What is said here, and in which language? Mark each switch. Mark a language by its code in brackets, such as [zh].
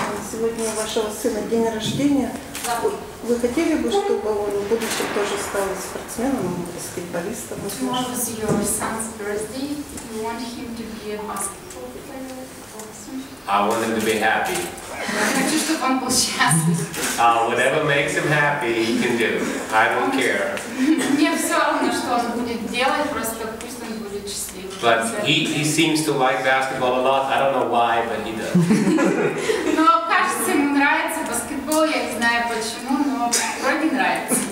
[ru] Сегодня у вашего сына день рождения. Да. Вы хотели бы, чтобы он в будущем тоже стал спортсменом, баскетболистом? Может быть, его сын's birthday. [en] You want him to be a basketball player? I want him to be happy. [ru] Хочу, чтобы он был счастлив. [en] Whatever makes him happy, he can do. I don't care. [ru] Мне все равно, что он будет делать, просто пусть он будет счастлив. [en] But he seems to like basketball a lot. I don't know why, but he does. [ru] Но кажется, ему нравится баскетбол. Я не знаю почему, но вроде нравится.